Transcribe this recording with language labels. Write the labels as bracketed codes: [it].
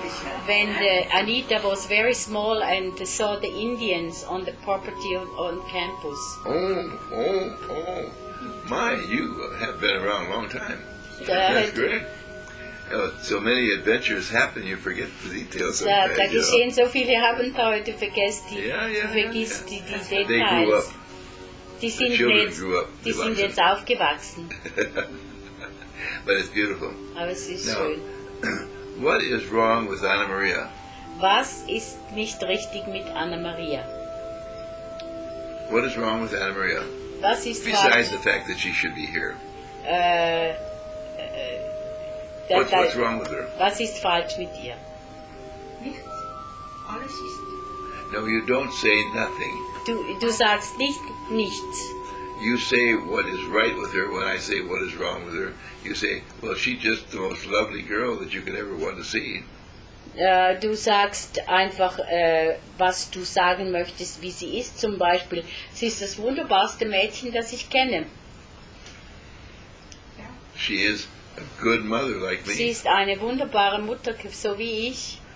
[en] Anita was very small and saw the Indians on the property on campus. Oh. My, you have been around a long time. That's great. So many adventures happen, you forget the details. [de] Da geschehen so viele Abenteuer, du vergisst die Details. [en] They grew up. [de] Die sind [en] the children grew up. [de] Die sind Jetzt aufgewachsen. [en] But it's beautiful. [de] Aber es ist [en] now, [de] schön. [en] What is wrong with Anna Maria? [de] Was ist nicht richtig mit Anna Maria? [en] What is wrong with Anna Maria? [de] Was ist [en] Besides the fact that she should be here. What's wrong with her? [de] Was ist falsch mit ihr? Nichts. Alles ist. [en] No, you don't say nothing. [de] Du sagst nichts. [en] You say what is right with her when I say what is wrong with her. You say, well, she's just the most lovely girl that you could ever want to see. [de] Du sagst einfach, was du sagen möchtest, wie sie ist. Zum Beispiel, sie ist das wunderbarste Mädchen, das ich kenne. [en] Yeah. She is a good mother like me. [de] Sie ist eine wunderbare Mutter, so wie ich.